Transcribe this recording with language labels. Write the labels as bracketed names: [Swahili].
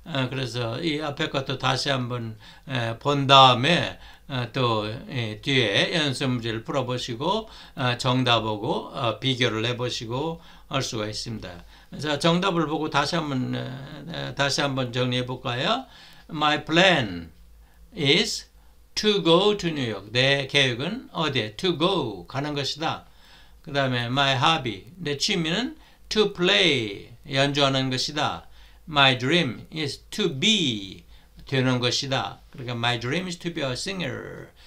[Korean] 그래서 이 앞에 것도 다시 한번 본 다음에 또 뒤에 연습 문제를 풀어보시고 정답하고 비교를 해보시고 할 수가 있습니다. 자, 정답을 보고 다시 한번 정리해 볼까요? [English] My plan is to go to New York. [Korean] 내 계획은 어디에? [English] To go [Korean] 가는 것이다. 그 다음에 [English] my hobby [Korean] 내 취미는 to play 연주하는 것이다. [English] My dream is to be [Korean] 되는 것이다. [English] 그러니까 my dream is to be a singer.